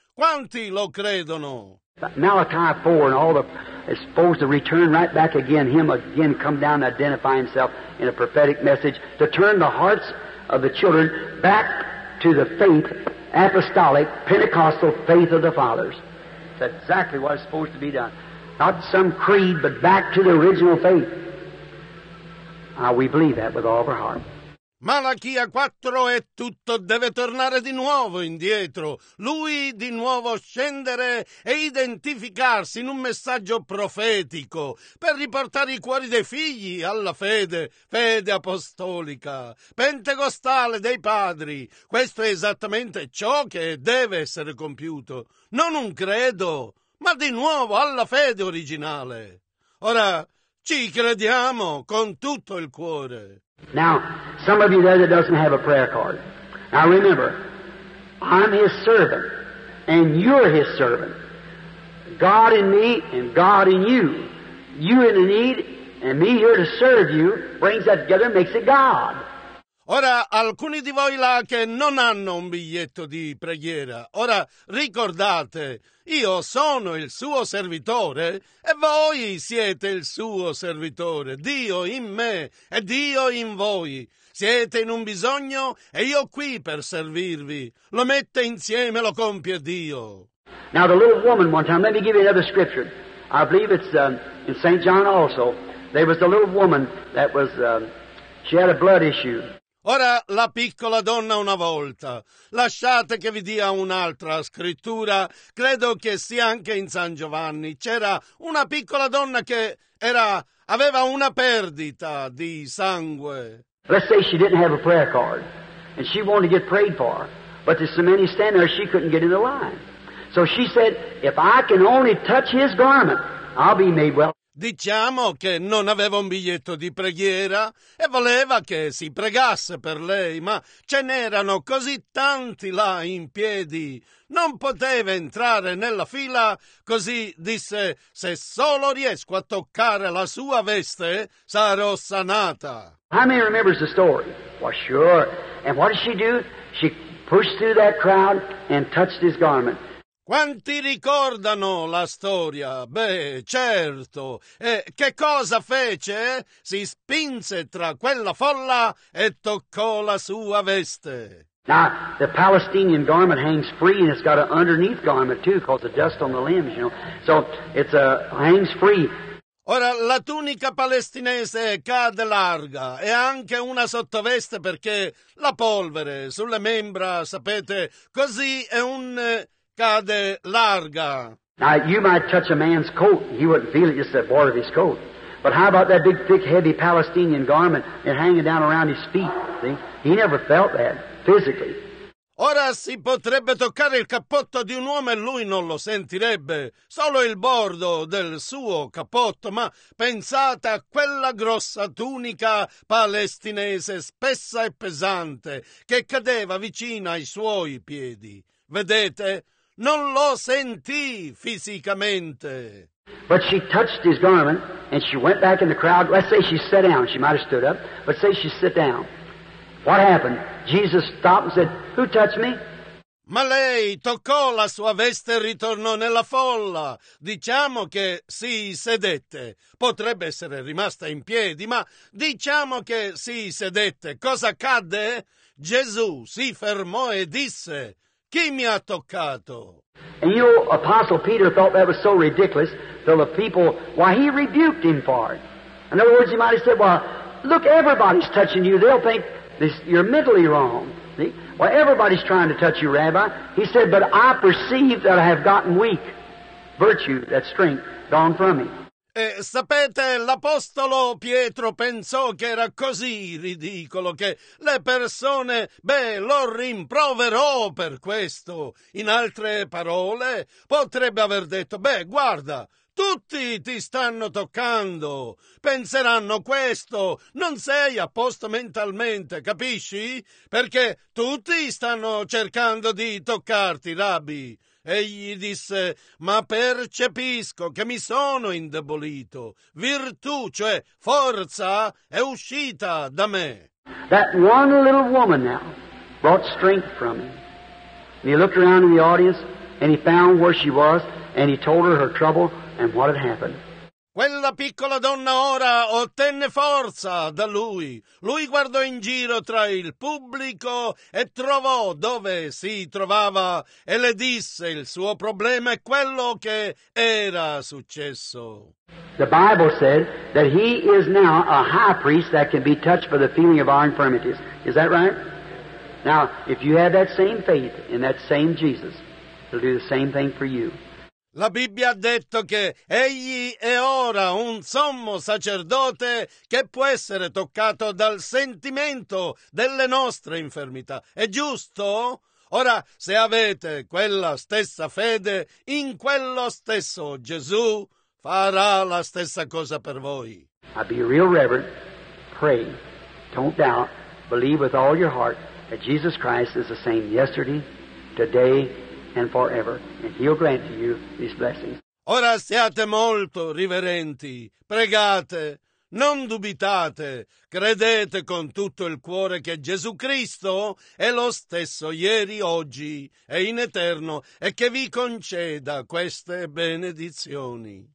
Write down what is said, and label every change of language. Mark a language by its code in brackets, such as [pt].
[it] Quanti lo credono? [en] Malachi 4 and all the is supposed to return right back again, him again come down to identify himself in a prophetic message to turn the hearts of the children back to the faith, apostolic, Pentecostal faith of the fathers. That's exactly what is supposed to be done. Not some creed, but back to the original faith. We believe that with all of our heart. [it] Malachia 4 è tutto, deve tornare di nuovo indietro. Lui di nuovo scendere e identificarsi in un messaggio profetico per riportare i cuori dei figli alla fede, fede apostolica, pentecostale dei padri. Questo è esattamente ciò che deve essere compiuto. Non un credo, ma di nuovo alla fede originale. Ora, ci crediamo con tutto il cuore. [en] Now, some of you there that doesn't have a prayer card. Now remember, I'm His servant, and you're His servant. God in me, and God in you. You in the need, and me here to serve you, brings that together and makes it God. [it] Ora, alcuni di voi là che non hanno un biglietto di preghiera, ora ricordate, io sono il suo servitore e voi siete il suo servitore, Dio in me e Dio in voi. Siete in un bisogno e io qui per servirvi. Lo mette insieme, lo compie Dio. [en] Now the little woman one time, let me give you another scripture. I believe it's in St. John also. There was a little woman that was, she had a blood issue. [it] Ora la piccola donna una volta. Lasciate che vi dia un'altra scrittura. Credo che sia anche in San Giovanni. C'era una piccola donna che era, aveva una perdita di sangue. [en] Let's say she didn't have a prayer card and she wanted to get prayed for. But there's so many standing there, she couldn't get in the line. So she said, if I can only touch his garment, I'll be made well. [it] Diciamo che non aveva un biglietto di preghiera e voleva che si pregasse per lei, ma ce n'erano così tanti là in piedi. Non poteva entrare nella fila, così disse, se solo riesco a toccare la sua veste, sarò sanata. [en] How many remembers the story? Well, sure. And what did she do? She pushed through that crowd and touched his garment. [it] Quanti ricordano la storia? Beh, certo. E che cosa fece? Si spinse tra quella folla e toccò la sua veste. [en] Now, the Palestinian garment hangs free and it's got an underneath garment too, because of dust on the limbs, you know. So, it's a hangs free. [it] Ora, la tunica palestinese cade larga e anche una sottoveste perché la polvere sulle membra, sapete, così è un... cade larga. [en] Now you might touch a man's coat, he wouldn't feel it, just the border of his coat. But how about that big, thick, heavy Palestinian garment and hanging down around his feet? See? He never felt that physically. [it] Ora si potrebbe toccare il cappotto di un uomo e lui non lo sentirebbe, solo il bordo del suo cappotto, ma pensate a quella grossa tunica palestinese, spessa e pesante, che cadeva vicino ai suoi piedi. Vedete? Non lo sentì fisicamente. [en] But she touched his garment and she went back in the crowd. Let's say she sat down. She might have stood up, but say she sat down. What happened? Jesus stopped and said, "Who touched me?" [it] Ma lei toccò la sua veste e ritornò nella folla. Diciamo che si sedette. Potrebbe essere rimasta in piedi, ma diciamo che si sedette. Cosa accadde? Gesù si fermò e disse, chi mi ha toccato? [en] And you know, Apostle Peter thought that was so ridiculous, till the people, why, he rebuked him for it. In other words, he might have said, well, look, everybody's touching you. They'll think this, you're mentally wrong. See? Well, everybody's trying to touch you, Rabbi. He said, but I perceive that I have gotten weak. Virtue, that strength, gone from me. [it] E sapete, l'apostolo Pietro pensò che era così ridicolo che le persone, beh, lo rimproverò per questo. In altre parole, potrebbe aver detto, beh, guarda, tutti ti stanno toccando, penseranno questo, non sei a posto mentalmente, capisci? Perché tutti stanno cercando di toccarti, Rabbi. Egli disse, ma percepisco che mi sono indebolito. Virtù, cioè forza, è uscita da me. [en] That one little woman now brought strength from him. And he looked around in the audience and he found where she was and he told her trouble and what had happened. [it] Quella piccola donna ora ottenne forza da lui. Lui guardò in giro tra il pubblico e trovò dove si trovava e le disse il suo problema e quello che era successo. [en] The Bible said that he is now a high priest that can be touched by the feeling of our infirmities. Is that right? Now, if you have that same faith in that same Jesus, he'll do the same thing for you. [it] La Bibbia ha detto che egli è ora un sommo sacerdote che può essere toccato dal sentimento delle nostre infermità. È giusto? Ora, se avete quella stessa fede in quello stesso Gesù, farà la stessa cosa per voi. [en] I'll be real reverent, pray, don't doubt, believe with all your heart that Jesus Christ is the same yesterday, today, and forever, and he'll grant to you these blessings. [it] Ora siate molto riverenti, pregate, non dubitate, credete con tutto il cuore che Gesù Cristo è lo stesso ieri, oggi e in eterno, e che vi conceda queste benedizioni.